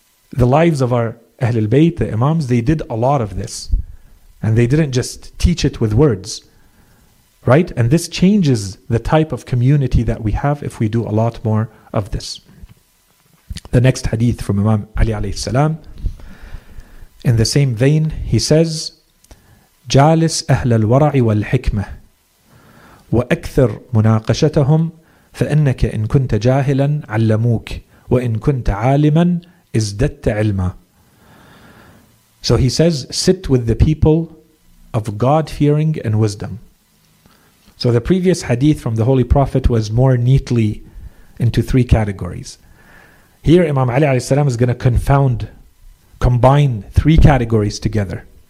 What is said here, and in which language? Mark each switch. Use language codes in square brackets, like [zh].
[en] The lives of our Ahlul Bayt, the Imams, they did a lot of this. And they didn't just teach it with words. Right? And this changes the type of community that we have if we do a lot more of this. The next hadith from Imam Ali alayhi salam. In the same vein, he says, [ar] جالس أهل الورع والحكمة وأكثر مناقشتهم فإنك إن كنت جاهلا علموك وإن كنت عالما ازددت علما. [en] So he says, sit with the people of God-fearing and wisdom. So the previous hadith from the Holy Prophet was more neatly into three categories. Here Imam Ali alayhi salam is going to combine three categories together.